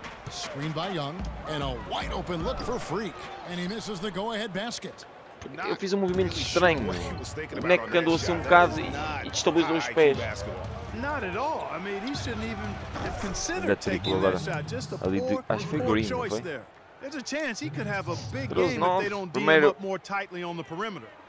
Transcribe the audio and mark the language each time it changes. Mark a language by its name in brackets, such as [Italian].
[English] Screen by Young and a wide open look for Freak and he misses the go ahead basket. [Portuguese] Eu fiz um movimento estranho, mano. O moleque andou assim um bocado e destabilizou os pés. [English] Not at all. I mean, he shouldn't even have considered taking this shot. Just a poor, [Portuguese] acho que foi Green, não foi? [English] There's a chance he could have a big game if they don't deal up more tightly on the perimeter.